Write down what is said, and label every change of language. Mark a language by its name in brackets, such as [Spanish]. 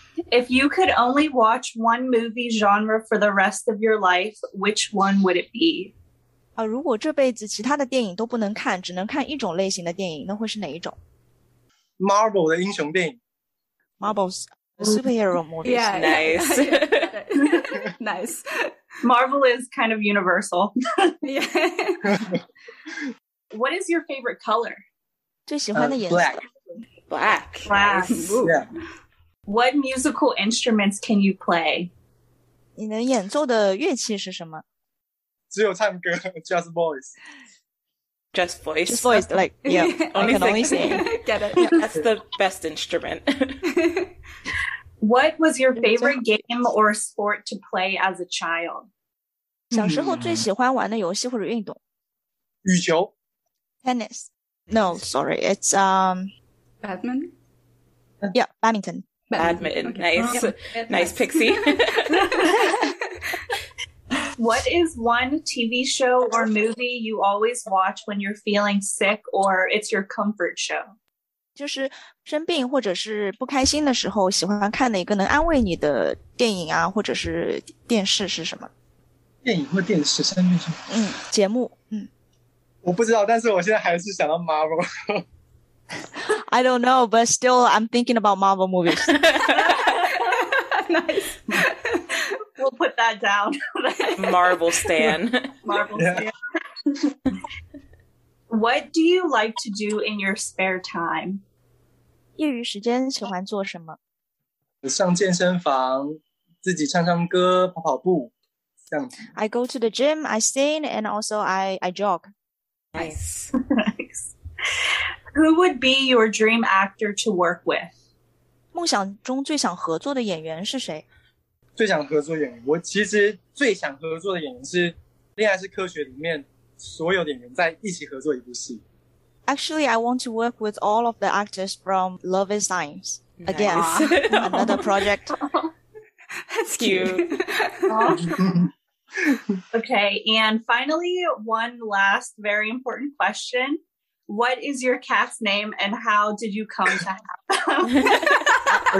[English] If you could only watch one movie genre for the rest of your life, which one would it be? [Chinese] 如果这辈子其他的电影都不能看，只能看一种类型的电影，那会是哪一种？ Marvel 的英雄电影。 [English] Marvel's superhero movies. Yeah, nice. Yeah. Nice. Marvel is kind of universal. Yeah. What is your favorite color? [Chinese] 最喜欢的颜色。 [English] Black. Nice. Yeah. What musical instruments can you play? [Chinese] 你能演奏的乐器是什么？只有唱歌, [English] just voice. Just voice. Just voice, like, yeah, only I can sing. Only sing. Get it. Yeah, that's the best instrument. What was your favorite game or sport to play as a child? [Chinese] 小时候最喜欢玩的游戏或者运动? 羽球? [English] Tennis. No, sorry, it's... Badminton? Yeah, badminton. Badminton, okay. Nice. Yeah, nice, Pixie. What is one TV show or movie you always watch when you're feeling sick or it's your comfort show? [Chinese] 就是生病或者是不开心的时候喜欢看哪个能安慰你的电影啊或者是电视是什么？电影或电视生病是什么？节目。我不知道，但是我现在还是想到 Marvel。 [English] I don't know, but still, I'm thinking about Marvel movies. Nice. We'll put that down. Marvel stan. Marvel stan. What do you like to do in your spare time? [Chinese] 业余时间喜欢做什么？上健身房，自己唱唱歌，跑跑步，这样子。 [English] I go to the gym, I sing, and also I jog. Nice. Who would be your dream actor to work with? [Chinese] 梦想中最想合作的演员是谁？最想合作演员，我其实最想合作的演员是《恋爱是科学》里面所有演员在一起合作一部戏。 [English] Actually, I want to work with all of the actors from Love and Science. Again, another project. That's cute. Okay, and finally, one last very important question. What is your cat's name and how did you come to have them?